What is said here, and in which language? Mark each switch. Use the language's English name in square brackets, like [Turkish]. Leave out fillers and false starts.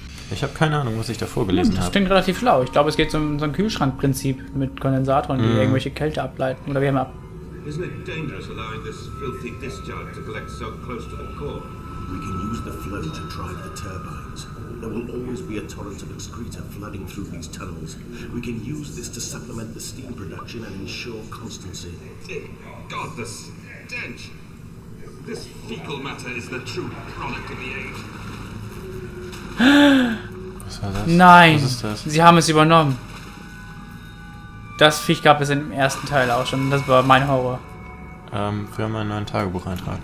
[German] Ich habe keine Ahnung, was ich da vorgelesen habe. Das klingt relativ schlau. Ich glaube, es geht um so ein Kühlschrankprinzip mit Kondensatoren, die irgendwelche Kälte ableiten oder Wärme ab. [English] Isn't it dangerous allowing this filthy discharge to collect so close to the core? We can use the flow to drive the turbines. There will always be a torrent of excreta flooding through these tunnels. We can use this to supplement the steam production and ensure constancy. God, the stench! This fecal matter is the true product of the age. [German] Was war das? Nein, was ist das? Sie haben es übernommen. Das Viech gab es im ersten Teil auch schon. Das war mein Horror. Wir haben einen neuen Tagebucheintrag.